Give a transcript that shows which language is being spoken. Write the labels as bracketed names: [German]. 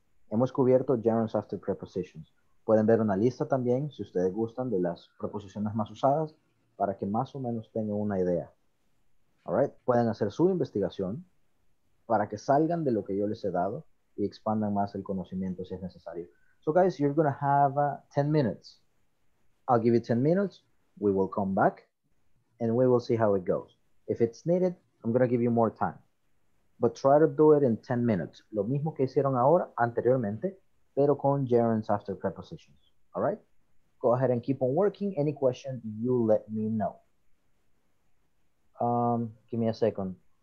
[Spanish] Hemos cubierto [English] gerunds after prepositions. [Spanish] Pueden ver una lista también, si ustedes gustan, de las preposiciones más usadas para que más o menos tengan una idea. [English] All right? [Spanish] Pueden hacer su investigación para que salgan de lo que yo les he dado y expandan más el conocimiento si es necesario. [English] So guys, you're going to have 10 minutes. I'll give you 10 minutes. We will come back and we will see how it goes. If it's needed, I'm going to give you more time. But try to do it in 10 minutes. [Spanish] Lo mismo que hicieron ahora, anteriormente, pero con [English] gerunds after prepositions. All right? Go ahead and keep on working. Any question, you let me know. Give me a second.